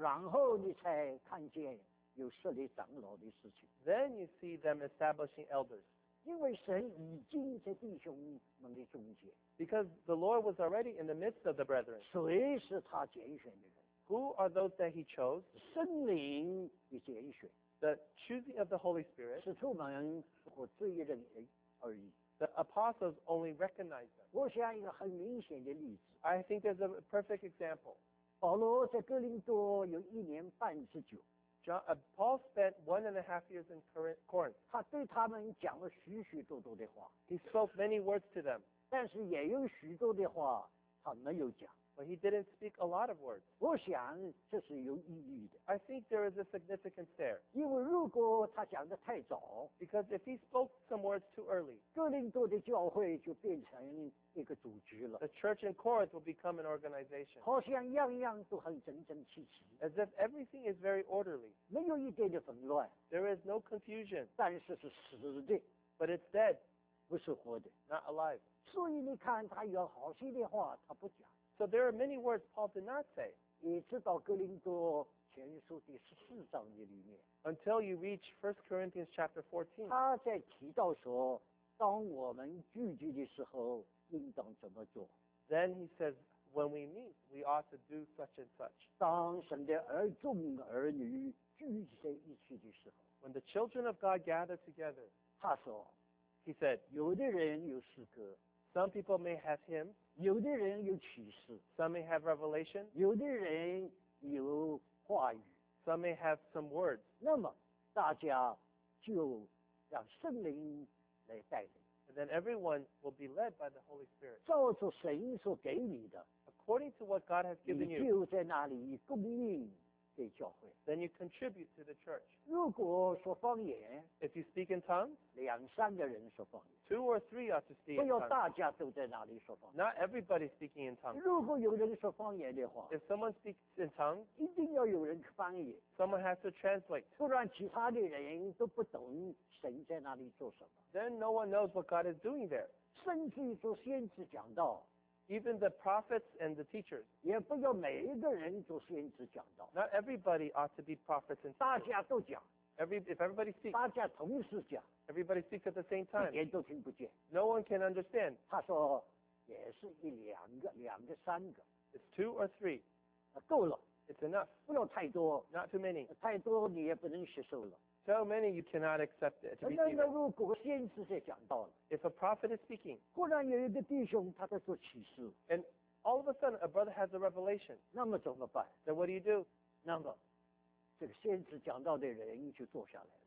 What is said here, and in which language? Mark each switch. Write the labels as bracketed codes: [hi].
[zh] 然后你才看见有设立长老的事情。 [en] Then you see them establishing elders. [zh] 因为神已经在弟兄们的中间。 [en] Because the Lord was already in the midst of the brethren. [zh] 谁是他拣选的人？ [en] Who are those that he chose? [zh] 圣灵的拣选。 [en] The choosing of the Holy Spirit. [zh] 使徒们或这一人而已。 [en] The apostles only recognized them. [zh] 我想一个很明显的例子。 [en] I think there's a perfect example. [zh] 保罗在哥林多有一年半之久。 [en] Paul spent 1.5 years in Corinth. [zh] 他对他们讲了许许多多的话。 [en] He spoke many words to them. [zh] 但是也有许多的话他没有讲。 [en] But he didn't speak a lot of words. [zh] 我想这是有意义的。 [en] I think there is a significance there. [zh] 因为如果他讲得太早， [en] Because if he spoke some words too early, [zh] 哥林多的教会就变成一个组织了。 [en] The church in Corinth will become an organization. [zh] 好像样样都很整整齐齐。 [en] As if everything is very orderly. [zh] 没有一点的纷乱。 [en] There is no confusion. [zh] 但是是死的。 [en] But it's dead. [zh] 不是活的。 [en] Not alive. [zh] 所以你看他有好些的话他不讲。 [en] So there are many words Paul did not say. [zh] 一直到哥林多前书第十四章的里面。 [en] Until you reach 1 Corinthians chapter 14. [zh] 他在提到说，当我们聚集的时候，应当怎么做。 [en] Then he says, when we meet, we ought to do such and such. [zh] 当神的儿众儿女聚集在一起的时候。 [en] When the children of God gather together. [zh] 他说。 [en] He said, [zh] 有的人有诗歌。 [en] Some people may have hymns. [zh] 有的人有启示。 [en] Some may have revelation. [zh] 有的人有话语。 [en] Some may have some words. [zh] 那么大家就让圣灵来带领。 [en] And then everyone will be led by the Holy Spirit. [zh] 照着神所给你的。 [en] According to what God has given you. [zh] 你就在那里供应给教会。 [en] Then you contribute to the church. [zh] 如果说方言。 [en] If you speak in tongues. [zh] 两三个人说方言。 [en] Two or three ought to speak in tongues. [zh] 不要大家都在那里说方言。 [en] Not everybody speaking in tongues. [zh] 如果有人说方言的话。 [en] If someone speaks in tongues. [zh] 一定要有人翻译。 [en] Someone has to translate. [zh] 不然其他的人都不懂神在那里做什么。 [en] Then no one knows what God is doing there. [zh] 甚至说先知讲道。 [en] Even the prophets and the teachers. [zh] 也不要每一个人做先知讲道。 [en] Not everybody ought to be prophets and teachers. [zh] 大家都讲。 [en] if everybody speaks, [zh] 大家同时讲, [en] everybody speaks at the same time, [zh] 一点都听不见, [en] no one can understand. [zh] 他说, 也是一两个, 两个, 三个, [en] it's two or three. [zh] 啊, 够了, [en] it's enough. [zh] 不能太多, [en] not too many. [zh] 太多你也不能吸收了, [en] so many you cannot accept it. To be [zh] 那如果先知在讲道了, [en] if a prophet is speaking, [zh] 忽然有一个弟兄, 他在说启示, [en] and all of a sudden a brother has a revelation. [zh] 那么怎么办? [en] Then what do you do? [zh] 那么, 这个先知讲道的人就坐下来了,